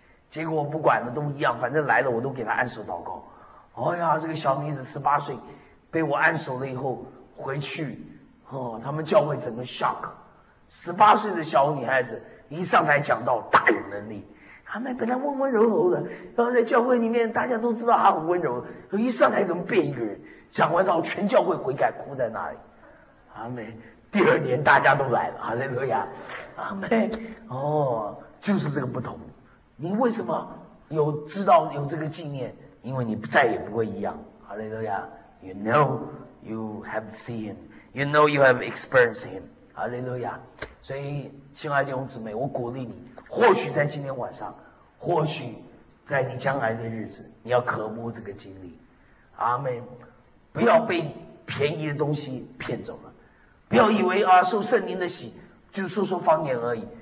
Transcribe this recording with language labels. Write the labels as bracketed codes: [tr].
[zh] 结果不管了都一样，反正来了我都给他按手祷告，哎呀，这个小女子18岁被我按手了以后回去，哦，他们教会整个 shock，18岁的小女孩子一上台讲道大有能力，阿妹本来温温柔柔的，然后在教会里面大家都知道她很温柔，一上台怎么变一个人，讲完道全教会悔改哭在那里，阿妹。第二年大家都来了，哈利路亚，阿妹。哦，就是这个不同，你为什么有知道有这个纪念？因为你再也不会一样，哈利路亚。 [en] You know you have seen him， You know you have experienced him， [zh] 哈利路亚。所以亲爱的弟兄姊妹，我鼓励你，或许在今天晚上，或许在你将来的日子，你要渴慕这个经历，阿们。不要被便宜的东西骗走了，不要以为啊受圣灵的洗就说说方言而已，